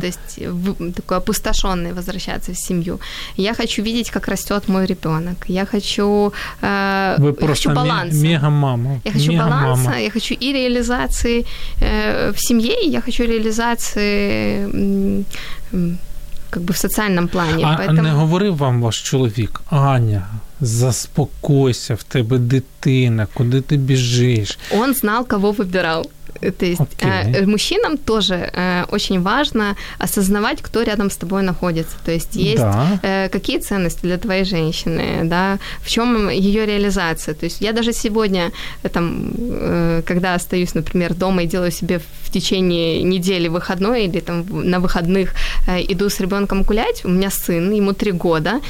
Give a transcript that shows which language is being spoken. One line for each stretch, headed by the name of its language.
Russian: Да, то есть такой опустошенный возвращаться в семью. Я хочу видеть, как растет мой ребенок. Я хочу... Вы просто мега-мама. Я хочу баланса, я хочу и реализации в семье, и я хочу реализации как бы в социальном плане. А поэтому...
Ukrainian: не говорив вам ваш чоловік, Аня, заспокойся, в тебе дитина, куди ти біжиш?
Russian: Он знал, кого выбирал. То есть мужчинам тоже очень важно осознавать, кто рядом с тобой находится. То есть есть какие ценности для твоей женщины, да, в чем ее реализация. То есть я даже сегодня, там, когда остаюсь, например, дома и делаю себе в течение недели выходной или там на выходных иду с ребенком гулять, у меня сын, ему 3 года,